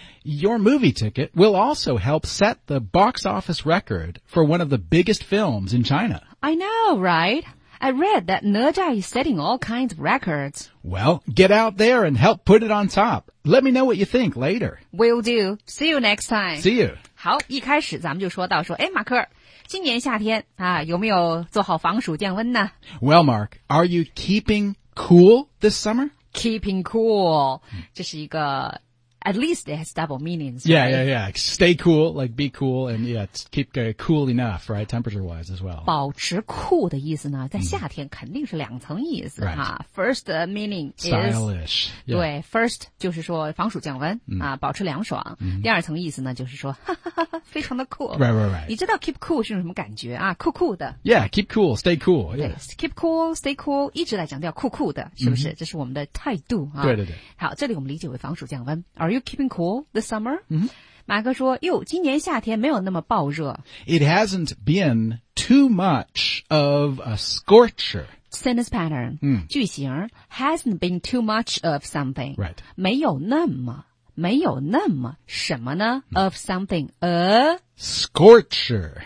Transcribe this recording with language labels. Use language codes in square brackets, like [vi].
[en] Your movie ticket will also help set the box office record for one of the biggest films in China. I know, right? I read that Nerja is setting all kinds of records. Well, get out there and help put it on top. Let me know what you think later. Will do. See you next time. See you. [zh] 好，一开始咱们就说到说，哎，马克，今年夏天啊，有没有做好防暑降温呢 [en] ？Well, Mark, are you keeping cool this summer? Keeping cool. [zh] 这是一个 [en] at least it has double meanings. Yeah,、 right? yeah. Stay cool, like be cool, and yeah, keep cool enough, right? Temperature wise as well. [zh] 保持酷的意思呢，在夏天肯定是两层意思、哈。 [en] First meaning is stylish. [zh] 对、，first 就是说防暑降温、保持凉爽。第二层意思呢，就是说非常的酷。 [en] Right. [zh] 你知道 keep cool 是什么感觉啊？酷酷的。 Yeah, keep cool, stay cool. Yeah. 对 ， [en] keep cool, stay cool， [zh] 一直在强调酷酷的，是不是？ Mm-hmm. 这是我们的态度啊。对对对。好，这里我们理解为防暑降温。 [en] Are you keeping cool this summer?、 Mm-hmm. [zh] 马哥说哟今年夏天没有那么暴热。 [en] It hasn't been too much of a scorcher. Sentence pattern,、句型 hasn't been too much of something. Right. [zh] 没有那么没有那么什么呢 ? [en] of something, a scorcher.